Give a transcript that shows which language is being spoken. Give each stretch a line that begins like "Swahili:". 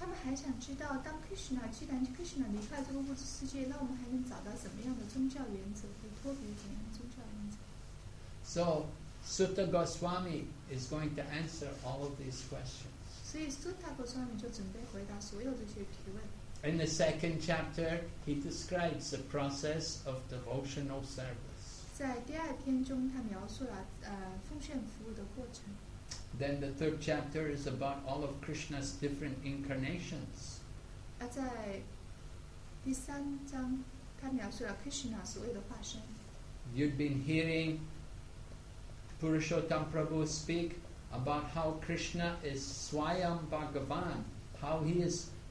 Chinese: 他们还想知道，当 Krishna 既然 Krishna 离开这个物质世界，那我们还能找到怎么样的宗教原则，和脱离怎样的宗教原则
English: ？So Sutta Goswami is going to answer all of these questions.
Chinese: 所以 Sutta Goswami 就准备回答所有这些提问。
English: In the second chapter, he describes the process of devotional service.
Chinese: 在第二篇中，他描述了奉献服务的过程。
English: Then the third chapter is about all of Krishna's different incarnations.
Chinese: 在第三章，他描述了 Krishna 所有的化身。
English: You've been hearing Purushottam Prabhu speak about how Krishna is Swayam Bhagavan, how he is.